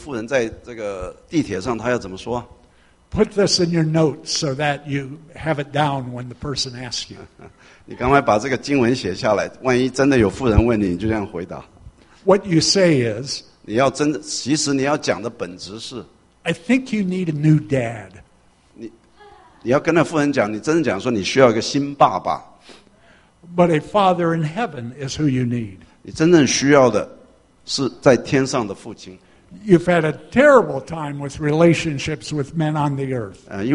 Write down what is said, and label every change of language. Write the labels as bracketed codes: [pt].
[zh] 如果主耶稣见到这样的一个妇人在这个地铁上, 他要怎么说? [en] Put this in your notes so that you have it down when the person asks you. [zh] 你赶快把这个经文写下来, 万一真的有妇人问你, 你就这样回答。 [en] What you say is, [zh] 你要真, 其实你要讲的本质是, [en] I think you need a new dad. [zh] 你要跟那妇人讲, 你真的讲说, 你需要一个新爸爸。 [en] But a father in heaven is who you need. [zh] 你真正需要的, 是在天上的父亲。 [en] You've had a terrible time with relationships with men on the earth.